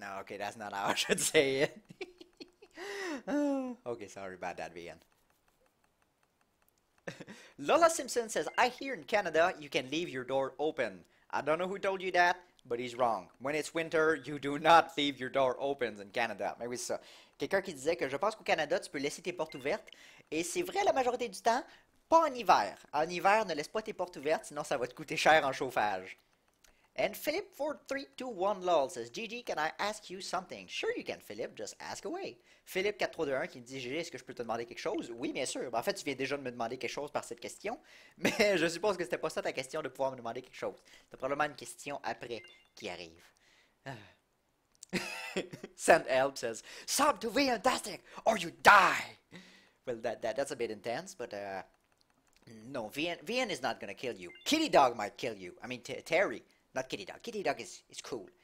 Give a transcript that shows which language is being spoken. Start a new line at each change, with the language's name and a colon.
English: No, okay, that's not how I should say it. Okay, sorry about that, VN. Lola Simpson says, I hear in Canada you can leave your door open. I don't know who told you that, but he's wrong. When it's winter, you do not leave your door open in Canada.
French: Mais oui, c'est ça. Quelqu'un qui disait que je pense qu'au Canada, tu peux laisser tes portes ouvertes. Et c'est vrai la majorité du temps, pas en hiver. En hiver, ne laisse pas tes portes ouvertes, sinon ça va te coûter cher en chauffage.
English: And Philip4321LOL says, GG, can I ask you something? Sure you can, Philip, just ask away.
French: Philip4321 qui dit, GG, est-ce que je peux te demander quelque chose? Oui, bien sûr. En fait, tu viens déjà de me demander quelque chose par cette question, mais je suppose que c'était pas ça ta question de pouvoir me demander quelque chose. C'est probablement une question après qui arrive.
English: Send help says, sub to be fantastic or you die! Well, that's a bit intense, but... no, VN is not gonna kill you. Kitty Dog might kill you. I mean, Terry. Not Kitty Dog. Kitty Dog is cool.